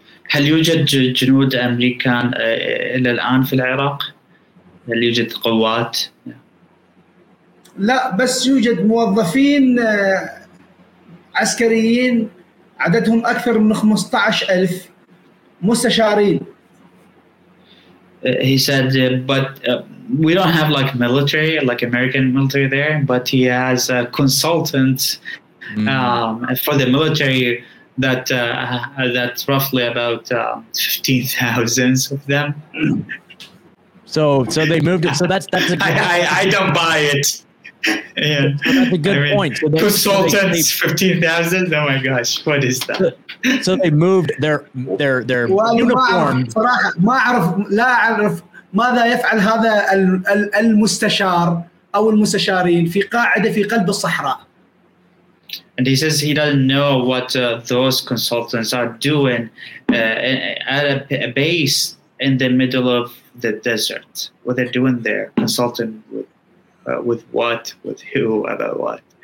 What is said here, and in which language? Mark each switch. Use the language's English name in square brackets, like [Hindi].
[Arabic] هل يوجد جنود أمريكان إلى الآن في العراق؟ هل يوجد قوات؟ لا بس يوجد موظفين عسكريين عددهم أكثر من 15,000 مستشارين. [English] He said, but we don't have like military, like American military there, but he has consultants for the military that's roughly about 15,000 of them. So they moved it. So that's a good I don't buy it. Yeah, that's a good point. So consultants, 15,000. Oh my gosh, what is that? So they moved their uniform. [Arabic] صراحة ما أعرف لا أعرف ماذا يفعل هذا المستشار أو المستشارين في قاعدة في قلب الصحراء. [English] And he says he doesn't know what those consultants are doing at a base in the middle of the desert. What they're doing there, consulting with what, with who, about what.